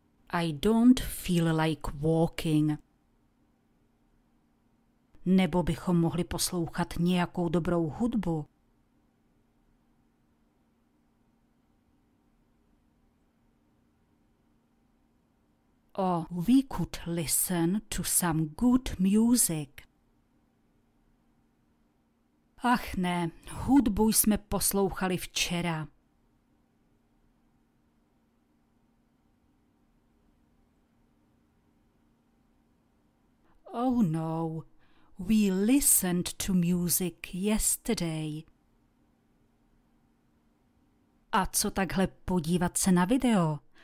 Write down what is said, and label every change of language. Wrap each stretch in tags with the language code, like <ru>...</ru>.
<en>I don't feel like walking.</en> <cs>Nebo bychom mohli poslouchat nějakou dobrou hudbu.</cs> <en>Or we could listen to some good music.</en> <cs>Ach ne, hudbu jsme poslouchali včera.</cs> <en>Oh no, we listened to music yesterday.</en> <cs>A co takhle podívat se na video?</cs>